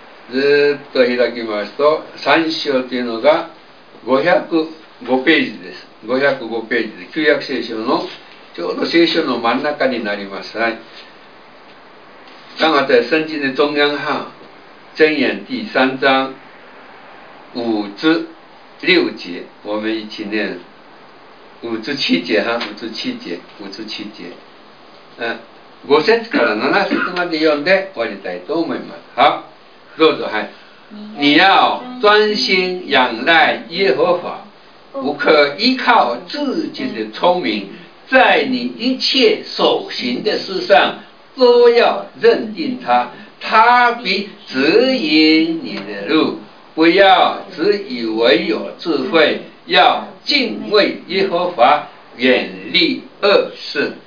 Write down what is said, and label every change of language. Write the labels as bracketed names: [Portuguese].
[Japanese] ずっと開きますと、三章というのが505ページです。 505ページで、旧約聖書のちょうど聖書の真ん中になります。はい。だが聖書の中央は。 [Chinese] 箴言第三章五至六节，我们一起念五至七节哈，五至七节，五至七节。 [Japanese] 嗯，五节から七節まで読んで終わりたいと思います。 [Chinese] 好，坐坐哈。你要专心仰赖耶和华，不可依靠自己的聪明，在你一切所行的事上都要认定他。他必指引你的路，不要只以为有智慧，要敬畏耶和华，远离恶事。